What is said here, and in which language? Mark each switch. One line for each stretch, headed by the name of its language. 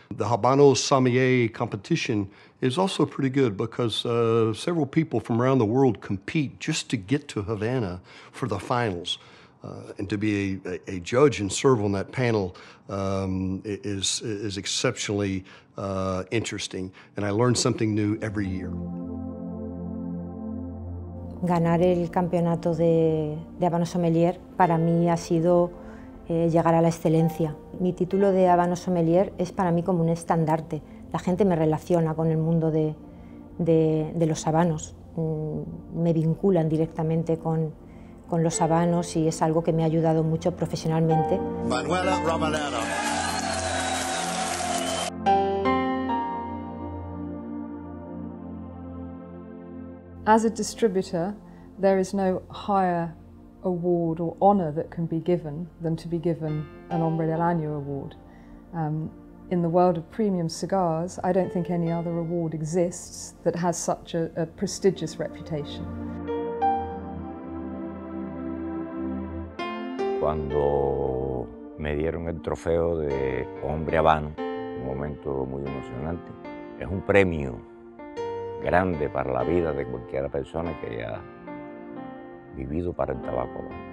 English: The Habano Sommelier competition is also pretty good because several people from around the world compete just to get to Havana for the finals. And to be a judge and serve on that panel is exceptionally interesting. And I learn something new every year.
Spanish: Ganar el campeonato de Habano Sommelier para mí ha sido llegar a la excelencia. Mi título de Habano Sommelier es para mí como un estandarte. La gente me relaciona con el mundo de los habanos. Me vinculan directamente con los habanos y es algo que me ha ayudado mucho profesionalmente. Manuela Romanero.
English: As a distributor, there is no higher award or honor that can be given than to be given an Hombre del Año award. In the world of premium cigars, I don't think any other award exists that has such a prestigious reputation.
Spanish: Cuando me dieron el trofeo de Hombre Habano, un momento muy emocionante, es un premio grande para la vida de cualquier persona que haya vivido para el tabaco.